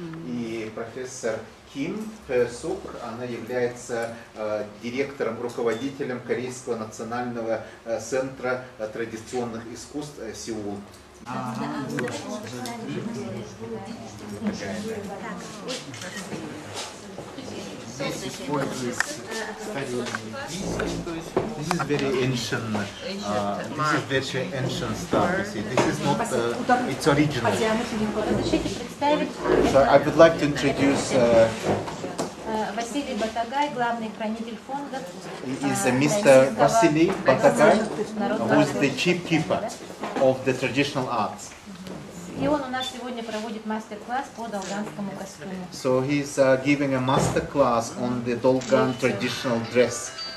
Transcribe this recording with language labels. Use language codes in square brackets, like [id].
[ru] И профессор Ким Пэ Сук, она является директором, руководителем Корейского национального центра традиционных искусств Сеул. Здесь используется старинный диск. Здесь очень ancient. [en] This is very ancient stuff. You see, this is not it's original. So I would like to introduce [ru] Василий Батагай, главный хранитель фонда. [en] It is Mr. Василий Батагай, who is the chief keeper of the traditional arts. [ru] И он у нас сегодня проводит мастер-класс по долганскому костюму. [en] So he's giving a master-class on the Dolgan traditional dress.